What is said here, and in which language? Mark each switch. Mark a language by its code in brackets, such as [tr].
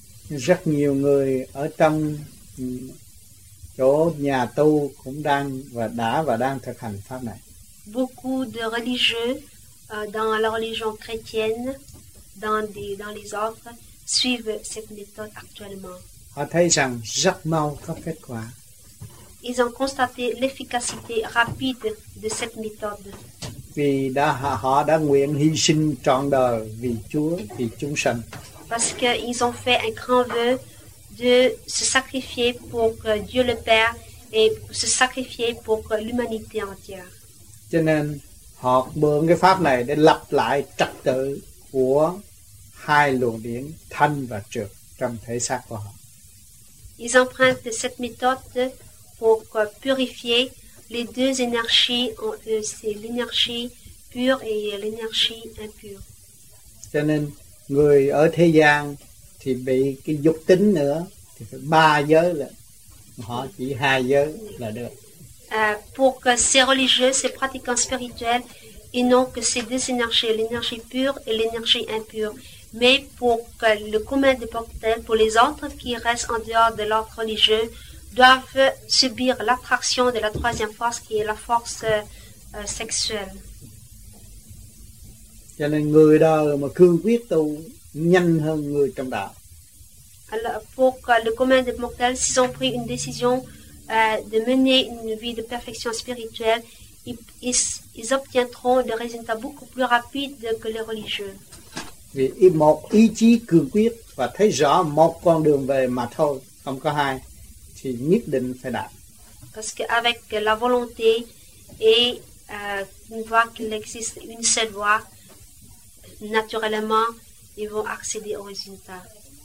[vi] Rất nhiều người ở trong chỗ nhà tu cũng đang và đã và đang thực hành pháp này. [fr] Beaucoup de religieux dans la religion chrétienne, dans les offres, suivent cette méthode actuellement. [vi] Họ thấy rằng rất mau có kết quả. [fr] Ils ont constaté l'efficacité rapide de cette méthode. [vi] Vì đã, họ đã nguyện hy sinh trọn đời vì Chúa, vì chúng sanh. [fr] Parce qu'ils ont fait un grand vœu de se sacrifier pour Dieu le Père et se sacrifier pour l'humanité entière. [vi] Cho nên họ mượn cái pháp này để lập lại trật tự của hai luồng điển thanh và trược trong thể xác của họ. [fr] Ils empruntent cette méthode pour purifier les deux énergies, c'est l'énergie pure et l'énergie impure. [vi] Cho nên người ở thế gian thì bị cái dục tính nữa thì phải ba giới là họ chỉ hai giới là được. [fr] Pour que ces religieux, ces pratiquants spirituels, ils n'ont que ces deux énergies, l'énergie pure et l'énergie impure. Mais pour que le commun des mortels, pour les autres qui restent en dehors de l'ordre religieux, doivent subir l'attraction de la troisième force qui est la force sexuelle. [vi] Cho nên người đời mà cương quyết tu nhanh hơn người trong đạo. [fr] Alors, pour que le commun des mortels, s'ils ont pris une décision de mener une vie de perfection spirituelle, ils obtiendront des résultats beaucoup plus rapides que les religieux. [vi] Vì một ý chí cương quyết và thấy rõ một con đường về mà thôi, không có hai, thì nhất định phải đạt. [fr] Parce qu'avec la volonté et une voie qu'il existe une seule voie, naturellement, ils vont accéder aux résultats.